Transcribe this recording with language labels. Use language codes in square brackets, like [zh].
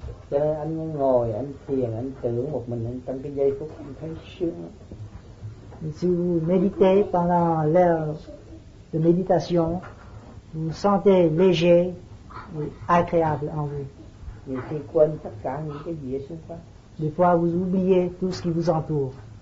[vi] Cho nên anh ngồi, anh thiền, anh tưởng một mình, anh trong cái giây phút anh thấy sướng. [fr] Si vous méditez pendant l'heure de méditation, vous sentez léger et agréable en vous. [vi] Mais khi quên tất cả những cái gì ở xung quanh. [fr] Des fois, vous oubliez tout ce qui vous entoure.